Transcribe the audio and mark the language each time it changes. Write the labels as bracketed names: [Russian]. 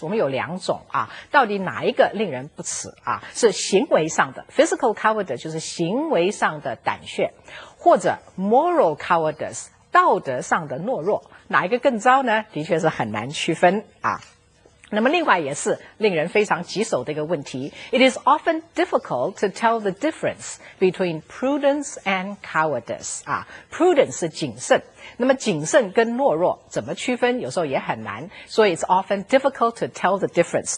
[Chinese] 我们有两种啊，到底哪一个令人不齿啊？是行为上的 [English] physical cowardice [Chinese] 就是行为上的胆怯，或者 [English] moral cowardice [Chinese] 道德上的懦弱，哪一个更糟呢？的确是很难区分啊。那么另外也是令人非常棘手的一个问题。 [English] It is often difficult to tell the difference between prudence and cowardice. [Chinese] 啊 ,prudence 是谨慎。那么谨慎跟懦弱怎么区分有时候也很难。 [English] 所以 it's often difficult to tell the difference.